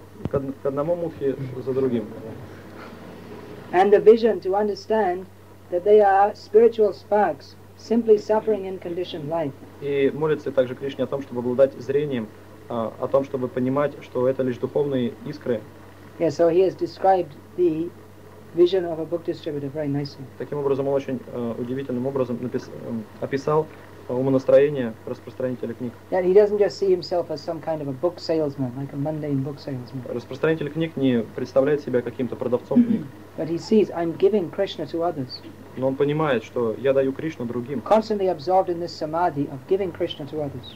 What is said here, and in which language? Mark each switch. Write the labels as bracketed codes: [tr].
[ru] К одному мудхе за другим. [en] And the vision to understand that they are spiritual sparks simply suffering in conditioned life. [ru] И молится также Кришне о том, чтобы обладать зрением, о том, чтобы понимать, что это лишь духовные искры. [en] Yeah, so he has described the vision of a book distributor very nicely. [ru] Таким образом, он очень удивительным образом описал умонастроение распространителя книг. [en] That he doesn't just see himself as some kind of a book salesman, like a mundane book salesman. [ru] Распространитель книг не представляет себя каким-то продавцом книг. [en] But he sees, I'm giving Krishna to others. [ru] Но он понимает, что я даю Кришну другим. [en] Constantly absorbed in this samadhi of giving Krishna to others.